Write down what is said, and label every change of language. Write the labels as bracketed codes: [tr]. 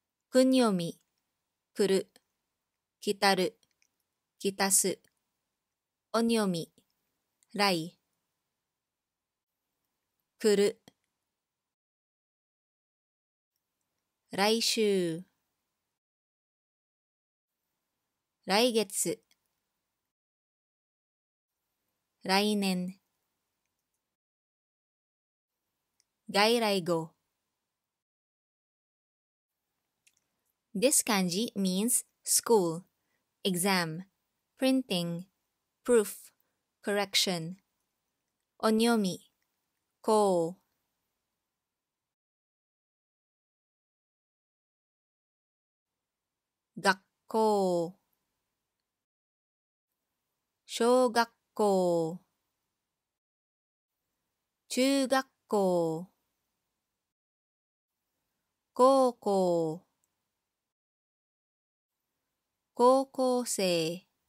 [ja] 訓読み来る 来たる, 来たす, 音読み, 来, 来る, 来週, 来月, 来年, 外来語. [en] This kanji means school, exam, printing, proof, correction. [ja] 音読み, こ, 学校, 小学校, 中学校, 高校, 高校生.